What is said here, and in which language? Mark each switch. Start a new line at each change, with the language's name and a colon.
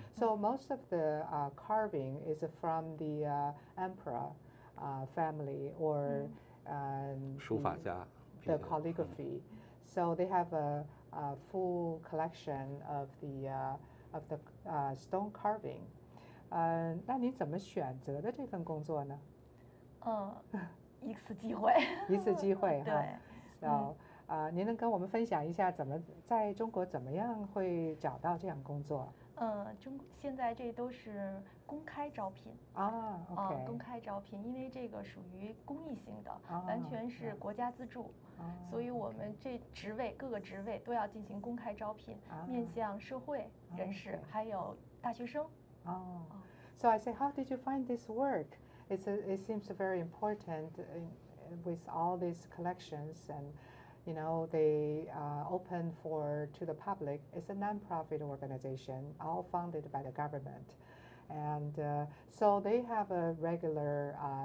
English: So most of the carving is from the emperor family or
Chinese: 书法家
English: the calligraphy. So they have a full collection of the stone carving.
Chinese: 那你怎么选择的这份工作呢？一次机会。一次机会哈。对。您能跟我们分享一下怎么在中国怎么样会找到这样工作？现在这都是公开招聘啊 ，OK，公开招聘，因为这个属于公益性的，完全是国家资助。所以我们这职位各个职位都要进行公开招聘，面向社会人士还有大学生。
English: So I say, how did you find this work? It seems very important with all these collections, and you know they open for to the public. It's a non-profit organization, all funded by the government, and so they have a regular.